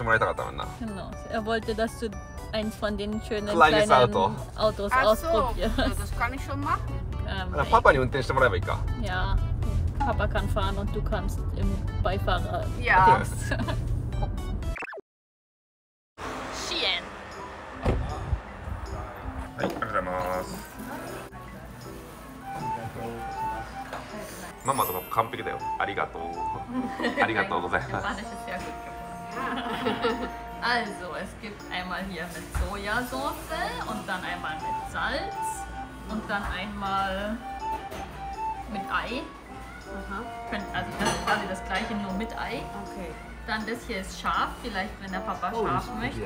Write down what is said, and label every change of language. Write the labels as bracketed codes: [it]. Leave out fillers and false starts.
[de] Genau. Er wollte, dass du eins von den schönen kleinen Auto. Autos ausprobierst. Ach so. Das kann ich schon machen. Papa hat einen Führerschein. Ja. Papa kann fahren und du kannst im Beifahrer. Ja. [ja] はい、ありがとうございます。ママとパパ完璧だよ。ありがとう。ありがとうございます。 [de] Also, es gibt einmal hier mit Sojasauce und dann einmal mit Salz und dann einmal mit Ei. Also das ist quasi das gleiche, nur mit Ei. Dann das hier ist scharf, vielleicht wenn der Papa scharf möchte.